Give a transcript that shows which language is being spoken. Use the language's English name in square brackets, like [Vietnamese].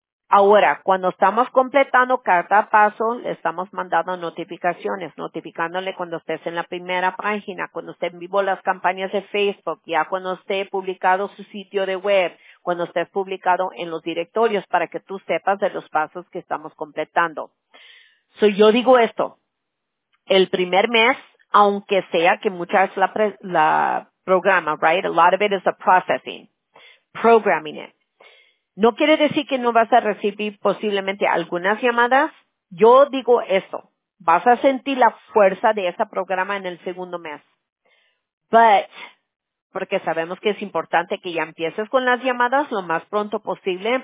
[Spanish] Ahora, cuando estamos completando cada paso, le estamos mandando notificaciones, notificándole cuando estés en la primera página, cuando esté en vivo las campañas de Facebook, ya cuando esté publicado su sitio de web, cuando esté publicado en los directorios, para que tú sepas de los pasos que estamos completando. So, yo digo esto, el primer mes, aunque sea que mucha es la programa, right? [English] A lot of it is the processing, programming it. [Spanish] No quiere decir que no vas a recibir posiblemente algunas llamadas. Yo digo eso. Vas a sentir la fuerza de ese programa en el segundo mes. But, porque sabemos que es importante que ya empieces con las llamadas lo más pronto posible.